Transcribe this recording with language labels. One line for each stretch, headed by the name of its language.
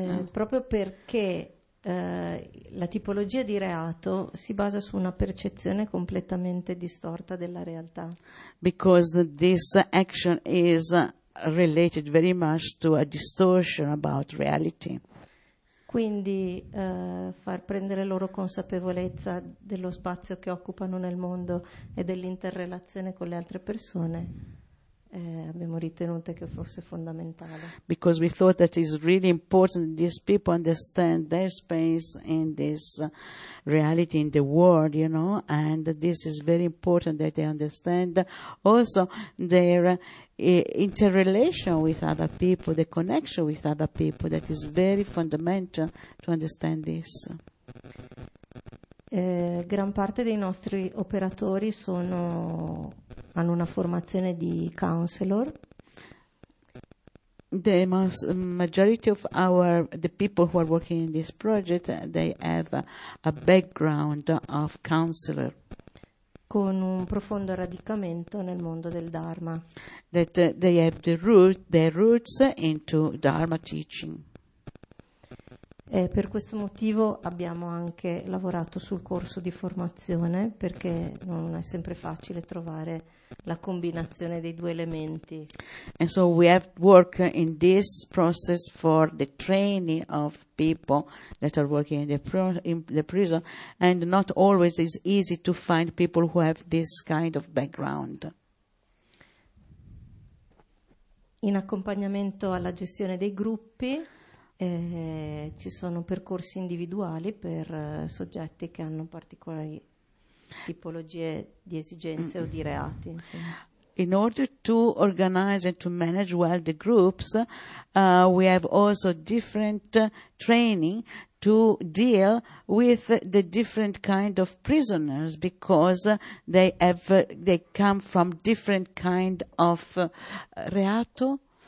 Italian: Proprio perché la tipologia di reato si basa su una percezione completamente distorta della realtà.
English: Because this action is related very much to a distortion about reality.
Italian: Quindi far prendere loro consapevolezza dello spazio che occupano nel mondo e dell'interrelazione con le altre persone Abbiamo ritenuto che fosse fondamentale.
English: Because we thought that it's really important these people understand their space in this reality in the world, you know, and this is very important that they understand also their interrelation with other people, the connection with other people, that is very fundamental to understand this.
Italian: Gran parte dei nostri operatori sono hanno una formazione di counselor.
English: The majority of our the people who are working in this project they have a background of counselor.
Italian: Con un profondo radicamento nel mondo del Dharma.
English: That they have the root their roots into Dharma teaching.
Italian: Per questo motivo abbiamo anche lavorato sul corso di formazione, perché non è sempre facile trovare la combinazione dei due elementi.
English: And so we have worked in this process for the training of people that are working in the prison, and not always is easy to find people who have this kind of background.
Italian: In accompagnamento alla gestione dei gruppi, ci sono percorsi individuali per soggetti che hanno particolari tipologie di esigenze o di reati, insomma.
English: In order to organize and to manage well the groups, we have also different training to deal with the different kind of prisoners because they come from different kind of reato.